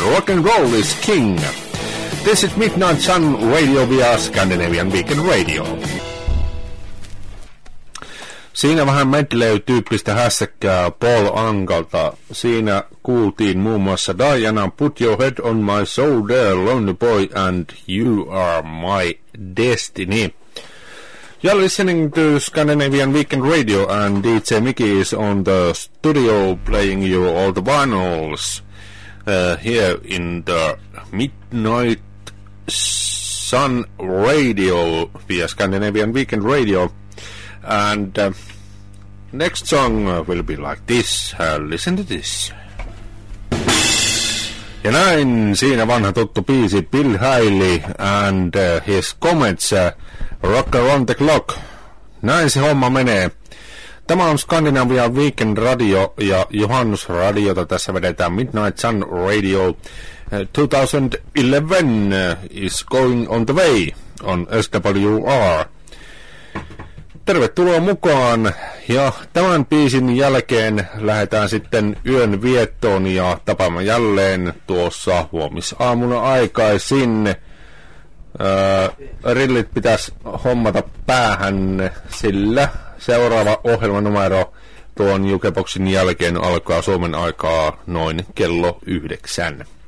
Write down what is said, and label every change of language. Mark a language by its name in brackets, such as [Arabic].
[English] Rock and Roll is King. This is Midnight Sun Radio via Scandinavian Weekend Radio. [Finnish] Siinä vähän medley-tyyppistä hässäkkää Paul Ankalta. Siinä kuultiin muun muassa Diana, Put Your Head on My Shoulder, Lonely Boy and You Are My Destiny. [English] You're listening to Scandinavian Weekend Radio and DJ Miki is on the studio playing you all the vinyls here in the Midnight Sun Radio via Scandinavian Weekend Radio. And next song will be like this. Listen to this. [Finnish] Ja näin siinä vanha tuttu biisi Bill Haley and his Comets. Rock around the clock. Näin se homma menee. Tämä on Skandinavian Weekend Radio ja Johannes Radiota. Tässä vedetään Midnight Sun Radio. [English] 2011 is going on the way on SWR. [Finnish] Tervetuloa mukaan. Ja tämän biisin jälkeen lähdetään sitten yön viettoon ja tapaamme jälleen tuossa huomisaamuna aikaisin. Rillit pitäisi hommata päähän, sillä seuraava ohjelmanumero tuon Jukeboxin jälkeen alkaa Suomen aikaa noin 9:00.